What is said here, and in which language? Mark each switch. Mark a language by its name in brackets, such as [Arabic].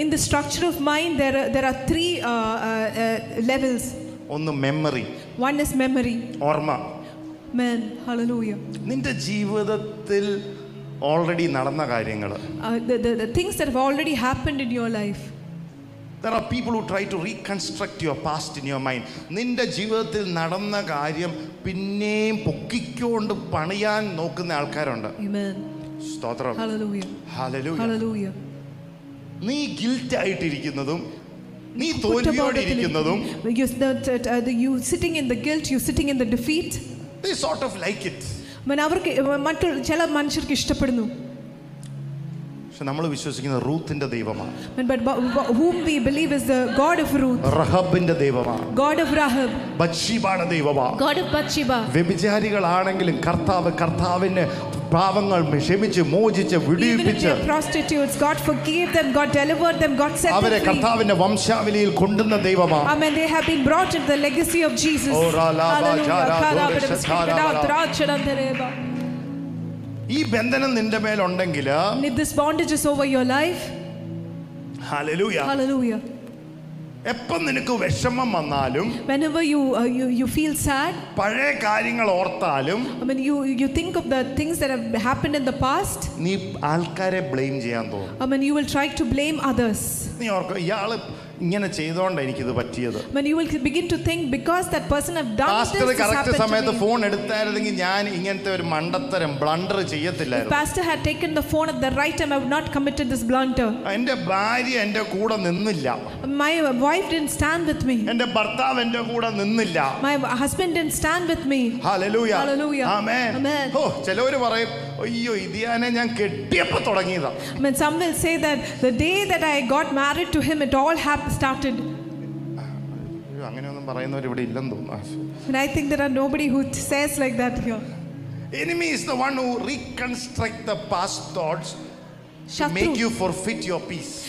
[English] In the structure of mind there are 3 levels. [Malayalam] ഒന്ന് memory. [English] one is memory, [Malayalam] ഓർമ്മ. മേൻ, hallelujah. നിന്റെ ജീവിതത്തിൽ already നടന്ന കാര്യങ്ങൾ, [English] The things that have already happened in your life. There are people who try to reconstruct your past in your mind. [Malayalam] നിന്റെ ജീവിതത്തിൽ നടന്ന കാര്യം പിന്നെയും പൊക്കിക്കൊണ്ട് പണിയാൻ നോക്കുന്ന ആൾക്കാരുണ്ട്. ആമേൻ. സ്തോത്രം. ഹല്ലേലൂയ. ഹല്ലേലൂയ. ഹല്ലേലൂയ. നീ ഗിൽറ്റ് ആയിട്ടിരിക്കുന്നതും നീ തോൽവിയോടെ ഇരിക്കുന്നതും, [English] you sitting in the guilt, you sitting in the defeat, they sort of like it. [Malayalam] മനവർക്ക് മറ്റു ചില മനുഷ്യർക്ക് ഇഷ്ടപ്പെടുന്നു. നമ്മൾ വിശ്വസിക്കുന്ന റൂത്തിന്റെ ദൈവമാണ്. [English] But whom we believe is the God of Ruth. [Malayalam] റഹബിന്റെ ദൈവമാണ്. [English] God of Rahab. [Malayalam] ബത്ഷീബയുടെ ദൈവമാണ്. [English] God of Bathsheba. [Malayalam] വ്യഭിചാരികളാണെങ്കിലും കർത്താവിനെ പാപങ്ങൾ ക്ഷമിച്ച് മോചിച്ച് വിടുവിപ്പിച്ച് [English] prostitutes, God forgave them, God delivered them, God set them free. [Malayalam] അവരെ കർത്താവിന്റെ വംശാവലിയിൽ കൊണ്ടുവന്ന ദൈവമാണ്. [English] Amen. They have been brought into the legacy of Jesus. [Malayalam] Hallelujah. ഈ ബന്ധനം നിന്റെ മേൽ ഉണ്ടെങ്കിൽ, [English] if this bondage is over your life, hallelujah, hallelujah, [Malayalam] എപ്പോൾ നിനക്ക് വിഷമം വന്നാലും, [English] whenever you feel sad, [Malayalam] പഴയ കാര്യങ്ങൾ ഓർത്താലും, [English] I mean you think of the things that have happened in the past, [Malayalam] നീ ആൾക്കാരെ ബ്ലെയിം ചെയ്യാൻ തോന്നും. [English] I mean you will try to blame others. [Malayalam] നീ ഓർക്കും ഇയാള് ഇങ്ങനെ ചെയ്തോണ്ട എനിക്ക് ഇത് പറ്റിയത്. [English] When you will begin to think, because that person have done pastor this, pastor [Malayalam] correct സമയത്ത് ഫോൺ എടുത്തായിരുന്നെങ്കിൽ ഞാൻ ഇങ്ങനത്തെ ഒരു മണ്ടത്തരം blunder ചെയ്യത്തില്ലായിരുന്നു. [English] Pastor had taken the phone at the right time, I would not committed this blunder. [Malayalam] എന്റെ ഭാര്യ എന്റെ കൂടെ നിന്നില്ല. [English] My wife didn't stand with me. [Malayalam] എന്റെ ഭർത്താവ് എന്റെ കൂടെ നിന്നില്ല. [English] My husband didn't stand with me. Hallelujah. Hallelujah. Amen. Amen. [Malayalam] ഓ ചിലവര് പറയും അയ്യോ ഇതിയാനെ ഞാൻ കെട്ടിയപ്പോൾ തുടങ്ങിയതാ. [English] When some will say that the day that I got married to him, it all happened. Started. [Malayalam] You angane onum parayunnavar ivide illanu thonnu. [English] I think there are nobody who says like that here. Enemy is the one who reconstruct the past thoughts. Shatru. Make you forfeit your peace.